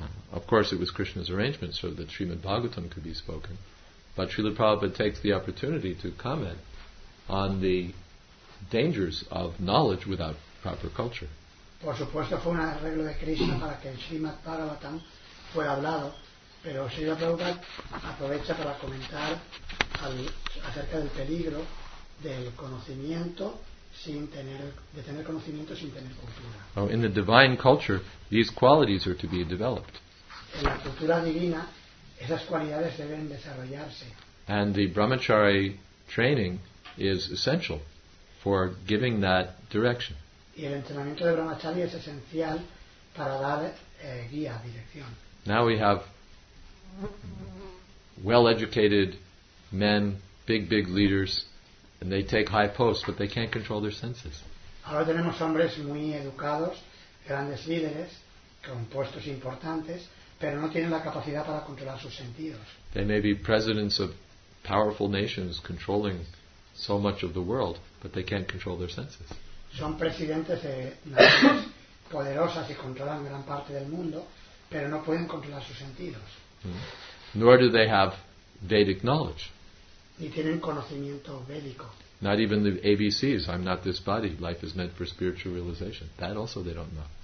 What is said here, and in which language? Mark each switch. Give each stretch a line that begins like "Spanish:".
English: Of course, it was Krishna's arrangement so that Srimad Bhagavatam could be spoken. But Srila Prabhupada takes the opportunity to comment on the dangers of knowledge without proper culture.
Spanish: Por supuesto, fue un arreglo de Krishna para que el Srimad Bhagavatam fuera hablado, pero Srila Prabhupada aprovecha para comentar acerca del peligro del conocimiento sin tener, de tener conocimiento sin tener cultura.
English: Oh, in the divine culture, these qualities are to be developed.
Spanish: En la cultura divina, esas cualidades deben desarrollarse.
English: And the brahmachari training is essential for giving that direction.
Spanish: Y el entrenamiento de brahmachari es esencial para dar guía, dirección.
English: Now we have well-educated men, big leaders, and they take high posts, but they can't control their senses.
Spanish: Ahora tenemos hombres muy educados, grandes líderes, con puestos importantes, pero no tienen la capacidad para controlar sus sentidos.
English: They may be presidents of powerful nations controlling so much of the world, but they can't control their senses.
Spanish: Son presidentes de naciones poderosas y controlan gran parte del mundo, pero no pueden controlar sus sentidos.
English: Nor do they have Vedic knowledge.
Spanish: Ni tienen conocimiento bélico.
English: Not even the ABCs. I'm not this body. Life is meant for spiritual realization. That also they don't know.